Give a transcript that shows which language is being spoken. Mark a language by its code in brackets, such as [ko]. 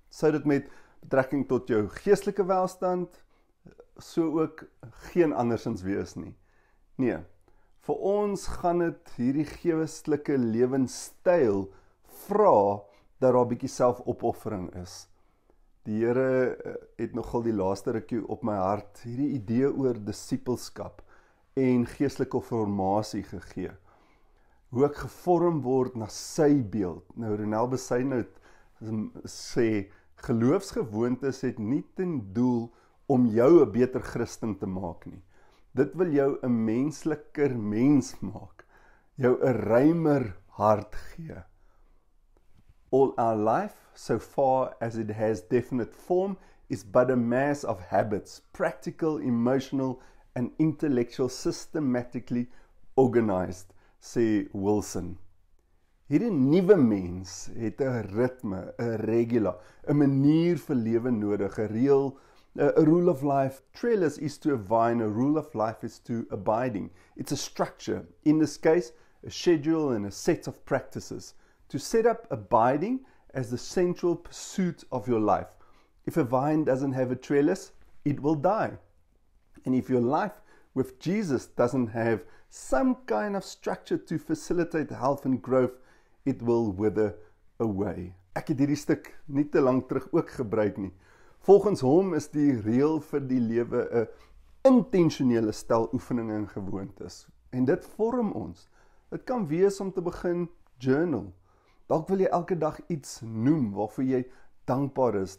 [af] Sou dit met betrekking tot jou geestelike welstand so ook geen andersins wees nie? Nee. Vir ons gaan dit hierdie geestelike lewenstyl vra dat daar 'n bietjie selfopoffering is. Die Here het nogal die laaste rukkie op my hart hierdie idee oor dissipelskap en geestelike formasie gegee. Hoe ek gevorm word na sy beeld. Nou Ronel Besyn het sê geloofsgewoontes het nie ten doel om jou 'n beter Christen te maak nie. Dit wil jou 'n mensliker mens maak, jou 'n ruimer hart gee. [en] All our life, so far as it has definite form, is but a mass of habits, practical, emotional and intellectual, systematically organized, [af] sê Wilson. Hierdie nuwe mens het 'n ritme, 'n regula, 'n manier vir lewe nodig, 'n reël. [en] A rule of life, trellis is to a vine, a rule of life is to abiding. It's a structure, in this case, a schedule and a set of practices. To set up abiding as the central pursuit of your life. If a vine doesn't have a trellis, it will die. And if your life with Jesus doesn't have some kind of structure to facilitate health and growth, it will wither away. [af] Ek het hierdie stuk nie te lank terug ook gebruik nie. Volgens hom is die reël vir die lewe 'n intentionele stel oefeninge en gewoontes. En dit vorm ons. Dit kan wees om te begin journal. Dalk wil jy elke dag iets noem waarvoor jy dankbaar is.